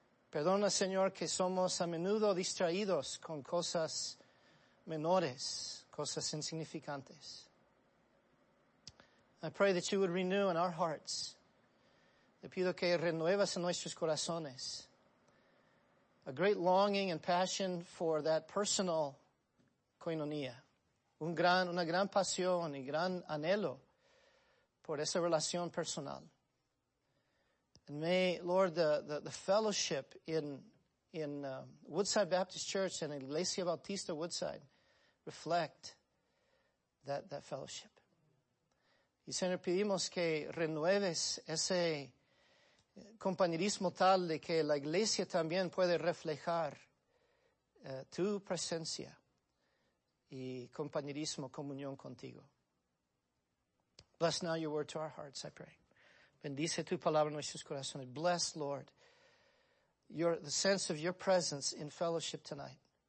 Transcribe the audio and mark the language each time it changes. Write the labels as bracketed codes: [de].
[es] Perdona, Señor, que somos a menudo distraídos con cosas menores, cosas insignificantes. [en] I pray that you would renew in our hearts. [es] Te pido que renuevas en nuestros corazones. [en] A great longing and passion for that personal koinonia. [es] Una gran pasión y gran anhelo por esa relación personal. [en] And may, Lord, the fellowship in Woodside Baptist Church and Iglesia Bautista Woodside reflect that fellowship. [es] Y Señor, pedimos que renueves ese compañerismo tal de que la iglesia también puede reflejar tu presencia y compañerismo, comunión contigo. [en] Bless now your word to our hearts, I pray. [es] Bendice tu palabra en nuestros corazones. [en] Bless, Lord, the sense of your presence in fellowship tonight.